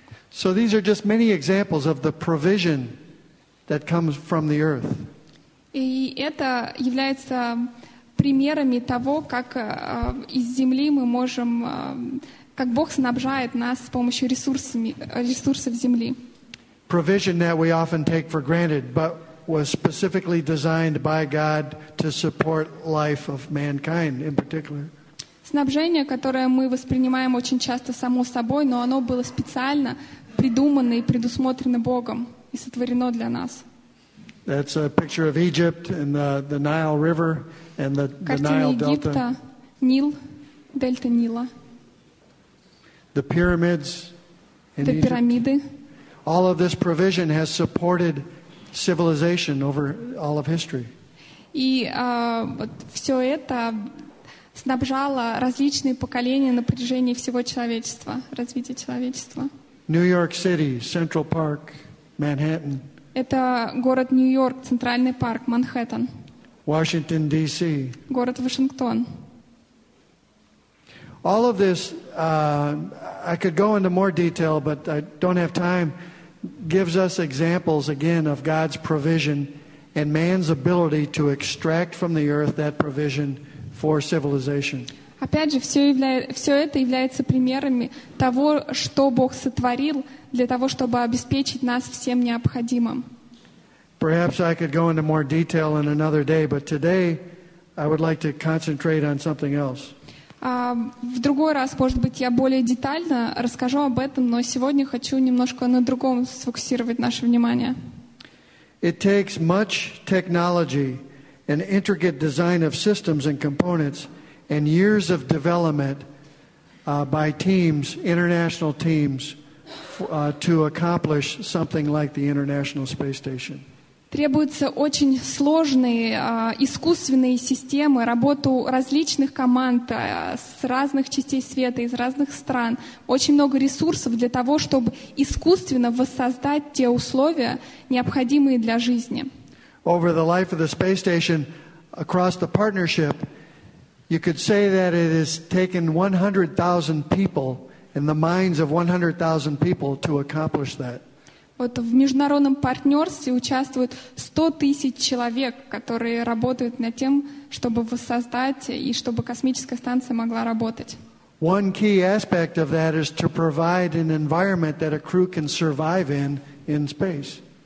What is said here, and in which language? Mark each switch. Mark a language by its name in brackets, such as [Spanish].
[English] So these are just many examples of the provision that comes from the earth. [Russian] И это является примерами того, как из земли мы можем, как Бог снабжает нас с помощью ресурсов земли. [English] Provision that we often take for granted, but was specifically designed by God to support life of mankind in particular. [Russian] Снабжение, которое мы воспринимаем очень часто само собой, но оно было специально придумано и предусмотрено Богом и сотворено для нас. [English] That's a picture of Egypt and the Nile River and the Nile Delta. [Russian] Картина Египта, Нил, дельта Нила. [English] The pyramids in Egypt. [Russian] Пирамиды. [English] All of this provision has supported civilization over all of history. [Russian] И вот все это снабжало различные поколения на протяжении всего человечества, развития человечества. [English] New York City, Central Park, Manhattan. [Russian] Это город Нью-Йорк, Центральный парк, Манхэттен. [English] Washington, D.C. [Russian] Город Вашингтон. [English] All of this, I could go into more detail, but I don't have time, gives us examples again of God's provision and man's ability to extract from the earth that provision for civilization. [Russian] Опять же, все это является примерами того, что Бог сотворил для того, чтобы обеспечить нас всем необходимым. [English] Perhaps I could go into more detail in another day, but today I would like to concentrate on something else. [Russian] В другой раз, может быть, я более детально расскажу об этом, но сегодня хочу немножко на другом сфокусировать наше внимание. [English] It takes much technology and intricate design of systems and components and years of development by teams, international teams, to accomplish something like the International Space Station. [Russian] Требуются очень сложные искусственные системы, работу различных команд с разных частей света, из разных стран. Очень много ресурсов для того, чтобы искусственно воссоздать те условия, необходимые для жизни. [English] Over the life of the space station, across the partnership, you could say that it has taken 100,000 people and the minds of 100,000 people to accomplish that. [Russian] Вот в международном партнерстве участвуют 100 тысяч человек, которые работают над тем, чтобы воссоздать и чтобы космическая станция могла работать. [English] One key aspect of that is to provide an environment that a crew can survive in space.